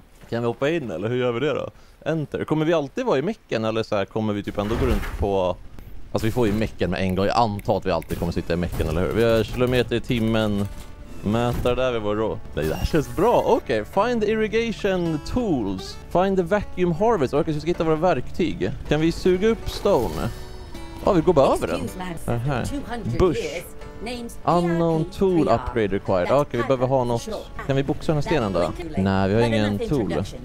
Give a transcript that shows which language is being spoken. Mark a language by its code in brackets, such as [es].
[sv] Kan vi hoppa in eller hur gör vi det då? Enter. Kommer vi alltid vara i mecken eller så här kommer vi typ ändå gå runt på... Alltså vi får ju mecken med en gång. Jag antar att vi alltid kommer sitta i mecken eller hur? Vi har kilometer i timmen. Mätare där vi var då. Nej, det här känns bra. Okej. Okay. [en] Find the irrigation tools. Find the vacuum harvest. [sv] Okej, så ska vi hitta våra verktyg. Kan vi suga upp stone? Ja, vi går bara över den. Den här. Bush. [en] Unknown tool upgrade required. [sv] Okej, okay, vi behöver ha något. Kan vi boxa den här stenen då? Nej, vi har ingen tool.